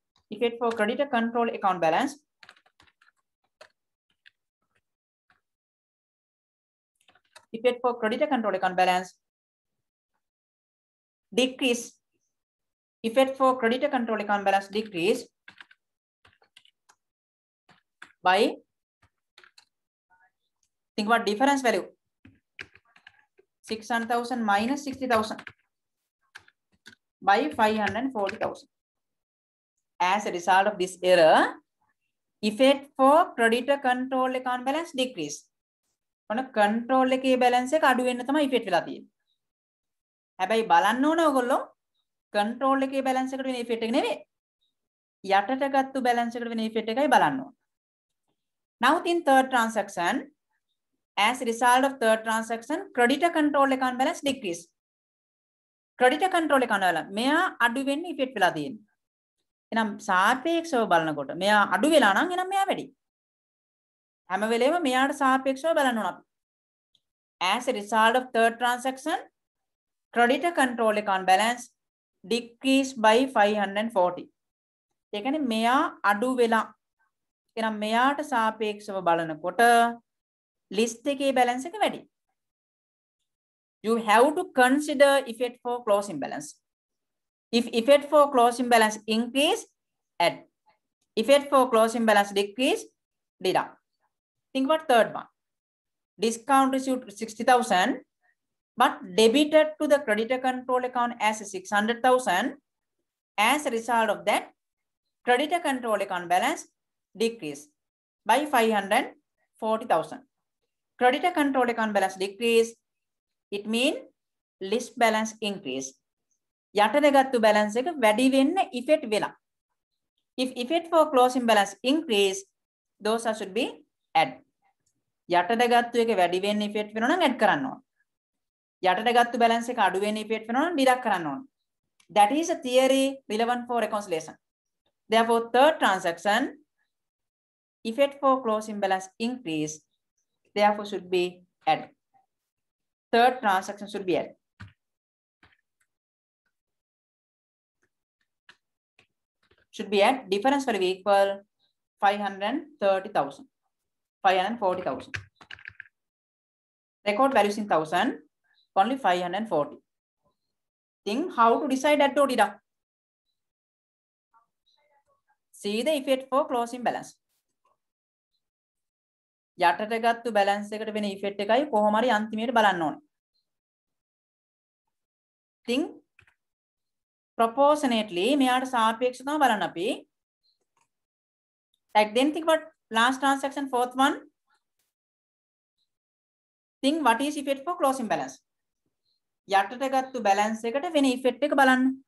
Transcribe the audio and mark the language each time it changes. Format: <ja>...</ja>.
<en>Effect for creditor control account balance effect for creditor control account balance decrease effect for creditor control account balance decrease by think about difference value 600,000 minus 60,000 by 540,000. As a result of this error, effect for creditor control account balance decrease.</en> <si>ඔන්න control එකේ balance එක අඩු වෙන්න තමයි effect වෙලා තියෙන්නේ. හැබැයි බලන්න ඕන ඔයගොල්ලෝ control එකේ balance එකට වෙන effect එක නෙවෙයි. යටට ගත්තු balance එකට වෙන effect එකයි බලන්න ඕන.</si> <en>Now in third transaction, as a result of third transaction, creditor control account balance decrease.</en> <si>Creditor control account වල මෙයා අඩු වෙන්න ඉෆෙක්ට් වෙලා තියෙනවා. එහෙනම් සාපේක්ෂව බලනකොට මෙයා අඩු වෙලා නම් එහෙනම් මෙයා වැඩි. හැම වෙලේම මෙයාට සාපේක්ෂව බලන්න ඕන අපි.</si> <en>As a result of third transaction, creditor control account balance decreased by 540.</en> <si>ඒ කියන්නේ මෙයා අඩු වෙලා එහෙනම් මෙයාට සාපේක්ෂව බලනකොට list එකේ balance එක වැඩි.</si> <en>You have to consider effect for closing balance. If effect for closing balance increase, add. Effect for closing balance decrease, deduct. Think about third one. Discount received 60,000, but debited to the creditor control account as 600,000. As a result of that, creditor control account balance decrease by 540,000. Creditor control account balance decrease. It mean list balance increase.</en> <si>යටට ගත්තු balance එක වැඩි වෙන්න effect වෙලා.</si> <en>If effect for closing balance increase, those are should be add.</en> <si>යටට ගත්තු එක වැඩි වෙන්න ඉෆෙක්ට් වෙනවා නම් add කරන්න ඕන. යටට ගත්තු බැලන්ස් එක අඩු වෙන්න ඉෆෙක්ට් වෙනවා නම් deduct කරන්න ඕන.</si> <en>That is a theory relevant for reconciliation. Therefore, third transaction, effect for closing balance increase, therefore should be add. Third transaction should be at difference value equal 540,000. Record values in 1,000, only 540. Think how to decide at Dodida. See the effect for closing balance.</en> <si>යටට ගත්තු balance එකට වෙන effect එකයි කොහොම හරි අන්තිමේට බලන්න ඕන.</si> <en>Think proportionately</en> <si>මෙයාට සාපේක්ෂව තමයි බලන්න අපි.</si> <en>Like then think about last transaction fourth one. Think what is effect for closing balance.</en> <si>යටට ගත්තු බැලන්ස් එකට වෙන ඉෆෙක්ට් එක බලන්න.</si>